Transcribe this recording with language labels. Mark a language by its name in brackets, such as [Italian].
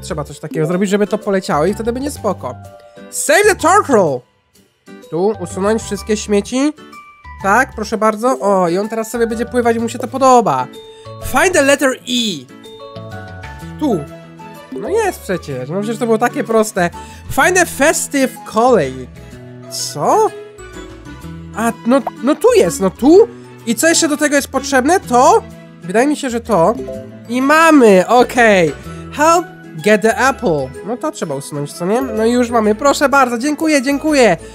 [Polish] Trzeba coś takiego zrobić, żeby to poleciało i wtedy będzie spoko. [English] Save the turtle! [Polish] Tu, usunąć wszystkie śmieci. Tak, proszę bardzo. O, i on teraz sobie będzie pływać, mu się to podoba. [English] Find the letter E! [Polish] Tu. No jest przecież, no przecież to było takie proste. [English] Find a festive colleague. [Polish] Co? A, no tu jest, no tu. I co jeszcze do tego jest potrzebne? To? Wydaje mi się, że to. I mamy, okej. [English] Help get the apple. [Polish] No to trzeba usunąć, co nie? No już mamy, proszę bardzo, dziękuję.